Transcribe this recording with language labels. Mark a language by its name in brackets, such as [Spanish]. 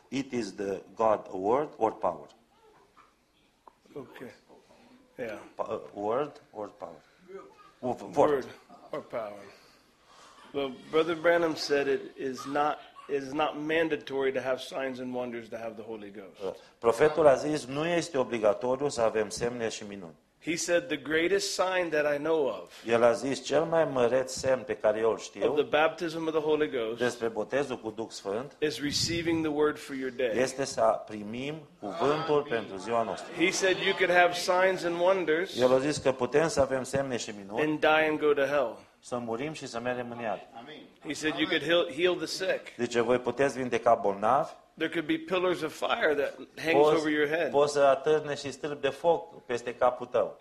[English] It is the God word or power? Okay. Yeah. Word or power? Word or power. Well, Brother Branham said it is not. It is not mandatory to have signs and wonders to have the Holy Ghost. [Romanian] Profetul a zis, nu este obligatoriu să avem semne și minuni. [English] He said the greatest sign that I know of. [Romanian] El a zis, cel mai măreț semn pe care eu îl știu. [English] Of the baptism of the Holy Ghost. [Romanian] Despre botezul cu Duh Sfânt. [English] Is receiving the word for your day. [Romanian] Este să primim cuvântul pentru ziua noastră. [English] He said you could have signs and wonders. [Romanian] El a zis că putem să avem semne și minuni. [English] And die and go to hell. [Romanian] Să murim și să mergem în iad. [English] He said you could heal the sick. [Romanian] Deci voi puteți vindeca bolnavi. [English] There could be pillars of fire that hangs over your head. [Romanian] Poți să atârne și stâlpi de foc peste capul tău.